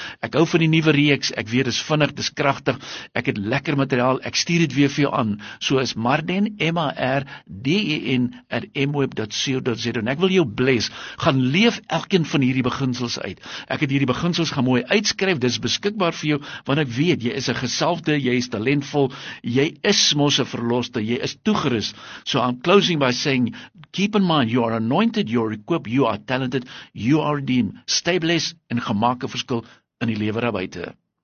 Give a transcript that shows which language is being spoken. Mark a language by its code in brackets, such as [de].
[af] Ek hou van die nuwe reeks, ek weet, dis vinnig, dis kragtig, ek het lekker materiaal, ek stuur het weer vir jou aan, so is marden, marden@mweb.co.za, en ek wil jou bless, gaan leef elkeen van hierdie beginsels uit, ek het hierdie beginsels gaan mooi uitskryf, dis beskikbaar vir jou, want ek weet, jy is 'n gesalfde, jy is talentvol, jy is mos 'n verloste, jy is toegerus. [en] So I'm closing by saying, keep in mind, you are anointed, you are equipped, you are talented, you are redeemed. Stay blessed [af] en gemaak 'n verskil in die lewe daarbuite.